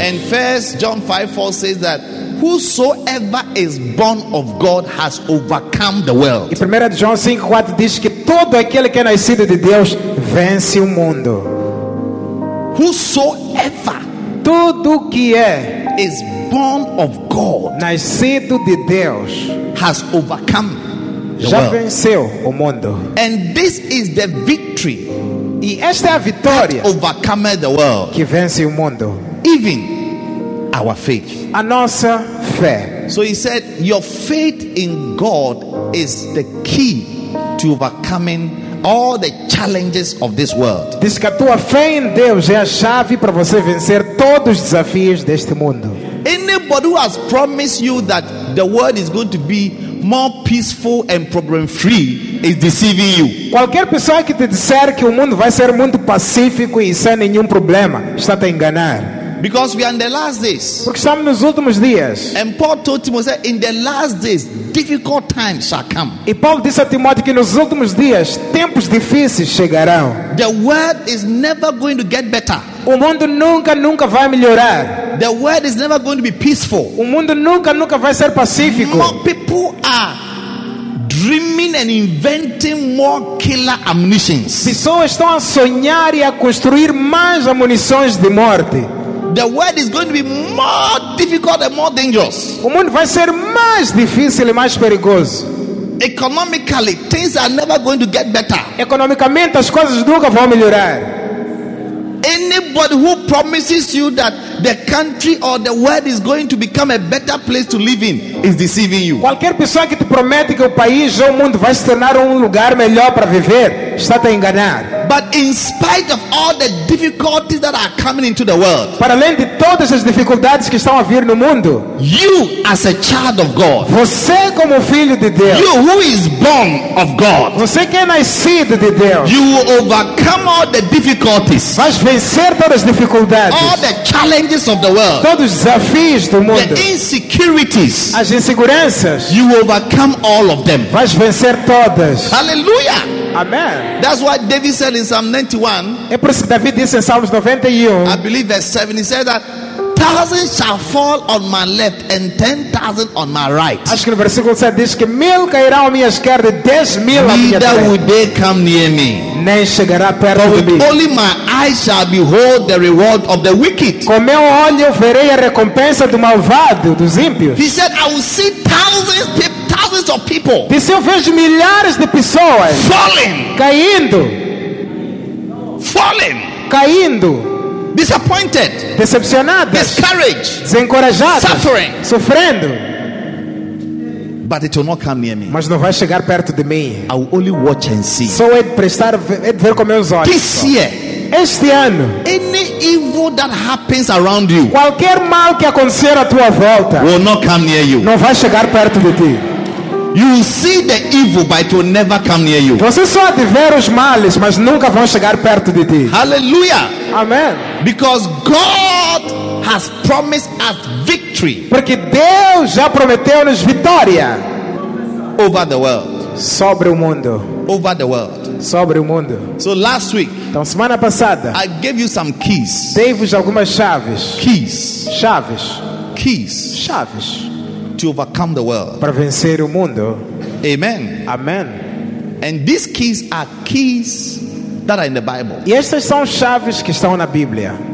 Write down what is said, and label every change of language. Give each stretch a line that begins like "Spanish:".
English: And 1 John 5:4 says that whosoever is born of God has overcome the world.
Portuguese: E 1 João 5:4 diz que todo aquele que é nascido de Deus vence o mundo.
English: Whosoever,
Portuguese: todo que é,
English: is born of God,
Portuguese: nascido de Deus,
English: has overcome.
Portuguese: Já venceu o mundo.
English: And this is the victory.
Portuguese: E esta é a vitória.
English: That overcome the world.
Portuguese: Que vence o mundo.
English: Even our faith.
Portuguese: A nossa fé.
English: So he said, your faith in God is the key to overcoming all the challenges of this world.
Portuguese: Diz que a tua fé em Deus é a chave para você vencer todos os desafios deste mundo.
English: Anybody who has promised you that the world is going to be more peaceful and problem free is deceiving you.
Portuguese: Qualquer pessoa que te disser que o mundo vai ser muito pacífico e sem nenhum problema está te enganar.
English: Because we are in the last days.
Portuguese: Porque estamos nos últimos dias.
English: And Paul told Timothy, in the last days, difficult times shall come.
Portuguese: E Paulo disse a Timóteo que nos últimos dias tempos difíceis chegarão.
English: The world is never going to get better.
Portuguese: O mundo nunca vai melhorar.
English: The world is never going to be peaceful.
Portuguese: O mundo nunca vai ser pacífico.
English: More people are dreaming and inventing more killer ammunitions.
Portuguese: Pessoas estão a sonhar e a construir mais munições de morte.
English: The world is going to be more difficult and more dangerous.
Portuguese: O mundo vai ser mais difícil e mais perigoso.
English: Economically, things are never going to get better.
Portuguese: Economicamente, as coisas nunca vão melhorar.
English: Anybody who promises you that the country or the world is going to become a better place to live in is deceiving you.
Portuguese: Qualquer pessoa que te promete que o país ou o mundo vai se tornar lugar melhor para viver está te enganar.
English: But in spite of all the difficulties that are coming into the world,
Portuguese: para além de todas as dificuldades que estão a vir no mundo,
English: you as a child of God,
Portuguese: você como filho de Deus,
English: you who is born of God,
Portuguese: você que é nascido de Deus,
English: you will overcome all the difficulties,
Portuguese: vais vencer todas as dificuldades,
English: all the challenges of the world,
Portuguese: todos os desafios do mundo,
English: the insecurities,
Portuguese: as inseguranças,
English: you will overcome all of them,
Portuguese: vais vencer todas.
English: Hallelujah. Amen. That's what David said in Psalm 91.
Portuguese: É por isso que David disse em Salmos 91.
English: I believe verse 7. He said that thousands shall fall on my left and 10,000 on my right.
Portuguese: Acho que no versículo 7 diz que 1,000 cairão à minha esquerda, 10,000 à minha direita.
English: Neither will they come near me.
Portuguese: Nem chegará perto de mim.
English: Only my eyes shall behold the reward of the wicked.
Portuguese: Com meu olho verei a recompensa do malvado, dos ímpios.
English: He said, I will see thousands of people. Of people.
Portuguese: Disse, eu vejo milhares de pessoas
English: falling,
Portuguese: caindo,
English: falling,
Portuguese: caindo,
English: disappointed,
Portuguese: decepcionadas,
English: discouraged,
Portuguese: desencorajadas,
English: suffering,
Portuguese: sofrendo.
English: But it will not come near me.
Portuguese: Mas não vai chegar perto de mim.
English: I will only watch and see.
Portuguese: Só é de prestar, é de ver com meus olhos.
English: This year,
Portuguese: este ano,
English: any evil that happens around you,
Portuguese: qualquer mal que acontecer à tua volta,
English: will not come near you.
Portuguese: Não vai chegar perto de ti.
English: You will see the evil, but it will never come near you.
Portuguese: Você só de ver os males, mas nunca vão chegar perto de ti.
English: Hallelujah. Amen. Because God has promised us victory.
Portuguese: Porque Deus já prometeu-nos vitória.
English: Over the world.
Portuguese: Sobre o mundo.
English: Over the world.
Portuguese: Sobre o mundo.
English: So last week,
Portuguese: então, semana passada,
English: I gave you some keys.
Portuguese: Dei-vos algumas chaves.
English: Keys.
Portuguese: Chaves.
English: Keys.
Portuguese: Chaves.
English: To overcome the world.
Portuguese: Para vencer o mundo.
English: Amen. Amen. And these keys are keys that are in the Bible.
Portuguese: E estas são chaves que estão na Bíblia.